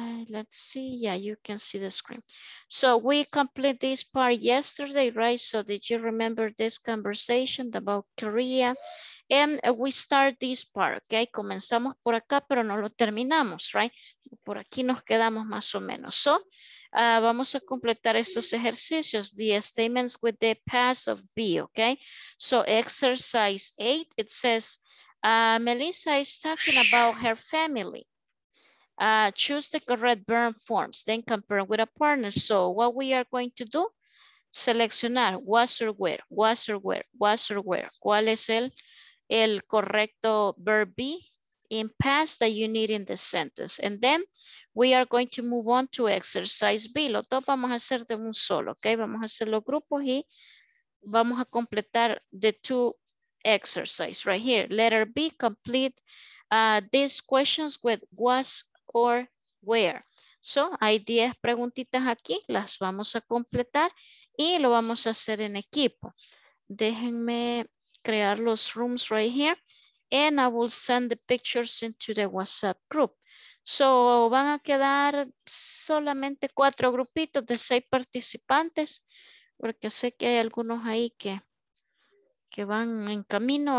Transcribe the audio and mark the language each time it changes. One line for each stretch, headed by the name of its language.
English: Let's see, yeah, you can see the screen. So, we complete this part yesterday, right? So, did you remember this conversation about Korea? And we start this part, okay?
Spanish: Comenzamos por acá, pero no lo terminamos, right? Por aquí nos quedamos más o menos. So, vamos a completar estos ejercicios.
English: The statements with the past of be, okay? So, exercise 8, it says, Melissa is talking about her family. Choose the correct verb forms, then compare with a partner. So, what we are going to do? Seleccionar, was or were, was or were, was or were.
Spanish: ¿Cuál es el correcto
English: verb be in past that you need in the sentence? And then we are going to move on to exercise B.
Spanish: Lo dos vamos a hacer de un solo, ¿ok? Vamos a hacer los grupos y vamos a completar
English: the two exercises right here. Letter B, complete these questions with was or where.
Spanish: So, hay 10 preguntitas aquí, las vamos a completar y lo vamos a hacer en equipo. Déjenme crear los
English: rooms right here and I will send the pictures into the WhatsApp group.
Spanish: So van a quedar solamente 4 grupitos de 6 participantes porque sé que hay algunos ahí que van en camino.